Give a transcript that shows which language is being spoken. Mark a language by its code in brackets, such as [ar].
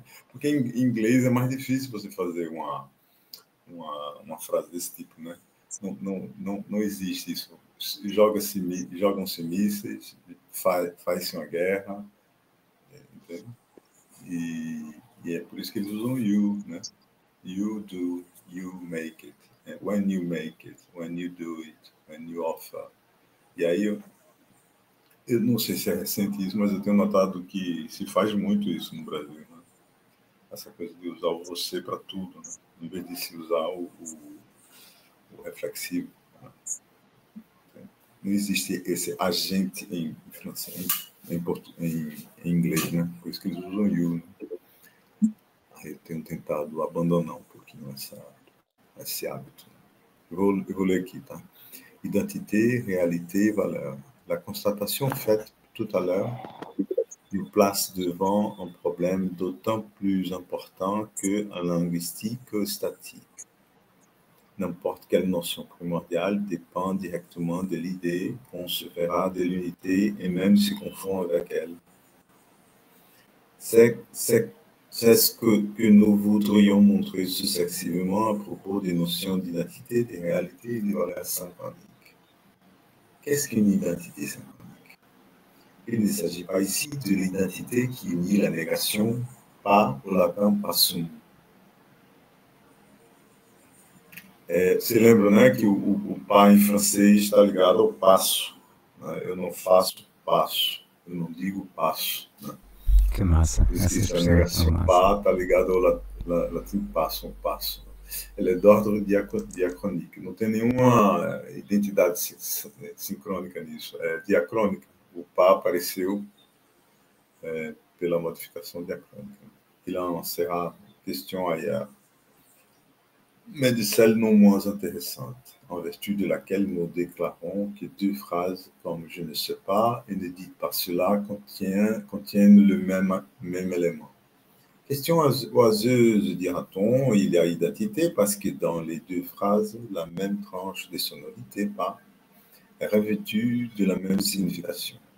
[pt] Porque em inglês é mais difícil você fazer uma frase desse tipo, né? Não existe isso. Jogam-se mísseis, faz-se uma guerra, entendeu? E é por isso que eles usam you, né? [en] You do, you make it. When you make it, when you do it, when you offer. [pt] E aí eu não sei se é recente isso, mas eu tenho notado que se faz muito isso no Brasil, né? Essa coisa de usar o você para tudo, né? Em vez de se usar o reflexivo, né? Não existe esse agente em francês, em inglês, né? Por isso que eles usam you, né? Eu tenho tentado abandonar um pouquinho esse hábito. Eu vou ler aqui, tá? [fr] Identité, réalité, valeur. La constatation faite tout à l'heure nous place devant un problème d'autant plus important que en linguistique ou statique. N'importe quelle notion primordiale dépend directement de l'idée qu'on se fera de l'unité et même se confond avec elle. C'est ce que nous voudrions montrer successivement à propos des notions d'identité, de réalité et de valeur symbolique. Qu'est-ce qu'une identité symbolique? Il ne s'agit pas ici de l'identité qui unit la négation, pas au latin, pas sum. [pt] Você lembra, né, que o pas em francês está ligado ao passo, né? Eu não faço passo, eu não digo passo, né? Que massa, Por isso que essa essa expressão é negação tão massa. pas está ligado ao latim passo, um passo. Ela é [fr] d'ordre diachronique. [pt] Não tem nenhuma identidade sincrônica nisso. É diacrônica. O pá apareceu pela modificação diacrônica. [fr] Il en sera question ailleurs. Mais de celle non moins intéressante, en vertu de laquelle nous déclarons que deux phrases comme je ne sais pas et ne dites pas cela contiennent le même élément. Question oiseuse, dira-t-on, il y a identité parce que dans les deux phrases, la même tranche de sonorité, pas, est revêtue de la même signification.